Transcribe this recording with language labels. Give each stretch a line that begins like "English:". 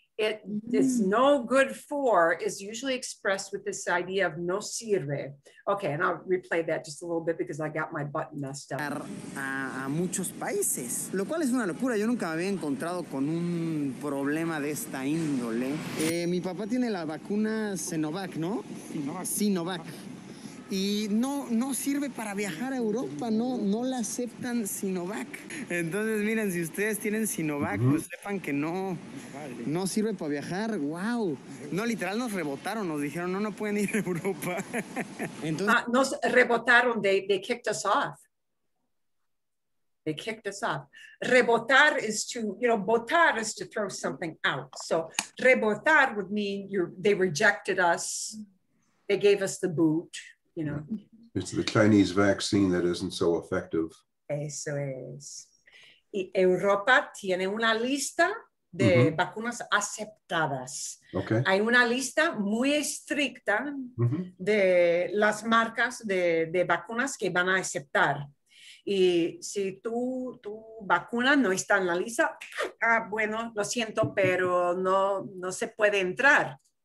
English: It's no good for is usually expressed with this idea of
Spanish: no sirve.
English: Okay, and I'll replay that just a little bit because I got my button messed up.
Spanish: A muchos países, lo cual es una locura. Yo nunca me había encontrado con un problema de esta índole. Mi papá tiene la vacuna Sinovac, ¿no? Sinovac. Y no sirve para viajar a Europa, no la aceptan Sinovac. Entonces, miren, si ustedes tienen Sinovac, pues sepan que no... No sirve para viajar, wow. No, literal nos rebotaron, nos dijeron no pueden ir a Europa. Entonces, nos rebotaron,
English: they kicked us off. They kicked us off. Rebotar is to, you know, botar is to throw something out. So rebotar would mean they rejected us, they gave us the boot, you know. It's the Chinese vaccine that isn't so effective.
Spanish: Eso es. Y Europa tiene una lista de vacunas aceptadas.
English: Okay.
Spanish: Hay una lista muy estricta de las marcas de vacunas que van a aceptar. Y si tu vacuna no está en la lista, bueno, lo siento, pero no se puede entrar.